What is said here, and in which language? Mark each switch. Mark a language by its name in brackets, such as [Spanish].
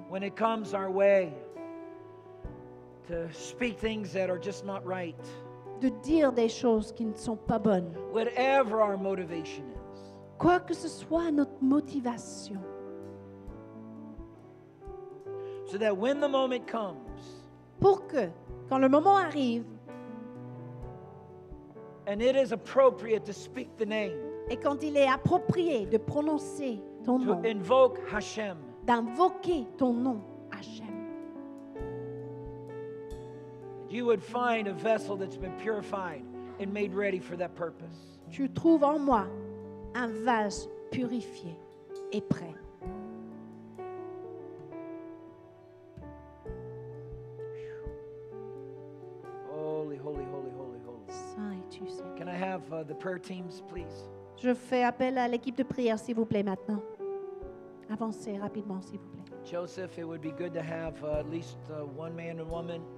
[English] When it comes our way to speak things that are just not right. [French] De dire des choses qui ne sont pas bonnes. [English] Whatever our motivation is. [French] Quoi que ce soit notre motivation. [English] So that when the moment comes, [French] pour que, quand le moment arrive, [English] and it is appropriate to speak the name, [French] et quand il est approprié de prononcer ton [English] to [French] nom, [English] invoke Hashem, [French] d'invoquer ton nom, Hashem. [English] You would find a vessel that's been purified and made ready for that purpose. [French] Tu trouves en moi un vase purifié et prêt. [English] Holy, holy, holy, holy, holy. [French] Saint es-tu, Seigneur. [English] Can I have the prayer teams, please? [French] Je fais appel à l'équipe de prière, s'il vous plaît, maintenant. Avancez rapidement, s'il vous plaît. [English] Joseph, it would be good to have at least one man and woman.